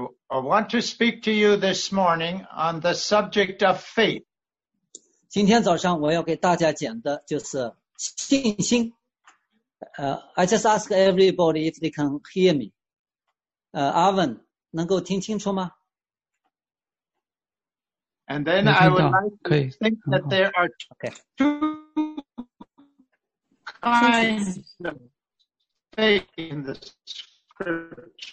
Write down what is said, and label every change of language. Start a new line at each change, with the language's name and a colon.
English: I want to speak to you this morning on the subject of faith.
Chinese: 今天早上我要给大家讲的就是信心。
English: I just ask everybody if they can hear me.
Chinese: Arvin, 能够听清楚吗？
English: And then I would like to think that there are two kinds of faith in the scripture.